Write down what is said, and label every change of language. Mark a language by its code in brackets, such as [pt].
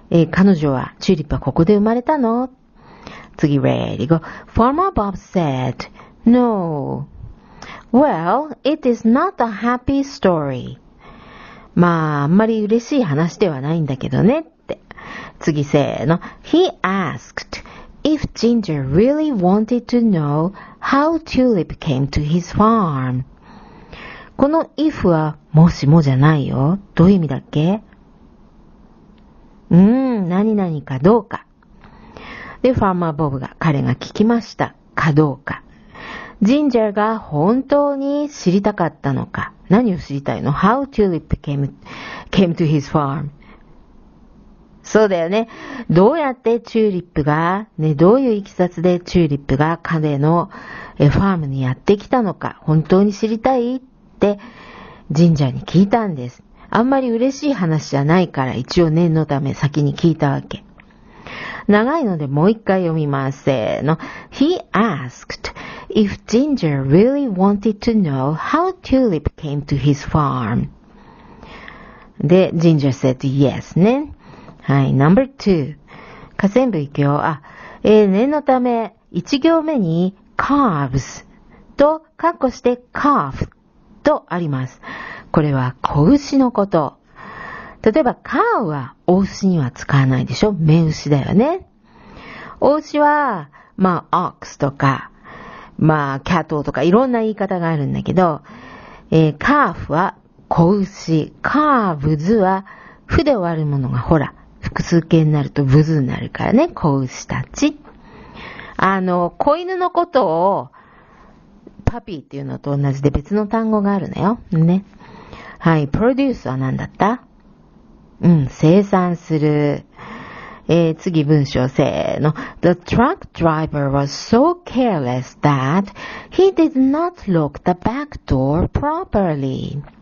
[ja] 彼女は、チューリップはここで生まれたの？次、 [en] ready go. Farmer Bob said, No. Well, it is not a happy story. [ja] まあ、あんまり嬉しい話ではないんだけどねって。次、せーの。 [en] He asked if Ginger really wanted to know how Tulip came to his farm. [ja] この if はもしもじゃないよ。どういう意味だっけ？何々かどうか。で、ファーマーボブが彼が聞きましたかどうか。ジンジャーが本当に知りたかったのか。何を知りたいの？ [en] How Tulip came to his farm。 [ja] そうだよね。どうやってチューリップが、ね、どういういきさつでチューリップが彼のファームにやってきたのか、本当に知りたいってジンジャーに聞いたんです。あんまり嬉しい話じゃないから、一応念のため先に聞いたわけ。長いのでもう一回読みます。せーの。 [en] He asked if Ginger really wanted to know how Tulip came to his farm. [ja] で、 [en] Ginger said yes [ja] ね。はい、 [en] number two. [ja] 河川部行くよ。あ、念のため、一行目に calves と、括弧して calf とあります。これは子牛のこと。例えば、カウは、オウシには使わないでしょ？メウシだよね。オウシは、まあ、オックスとか、まあ、キャトウとか、いろんな言い方があるんだけど、カーフは、子牛。カーブズは、フで終わるものが、ほら、複数形になると、ブズになるからね、子牛たち。子犬のことを、パピーっていうのと同じで別の単語があるのよ。ね。はい、プロデュースは何だった？うん、生産する。次文章、せーの。 [en] The truck driver was so careless that he did not lock the back door properly.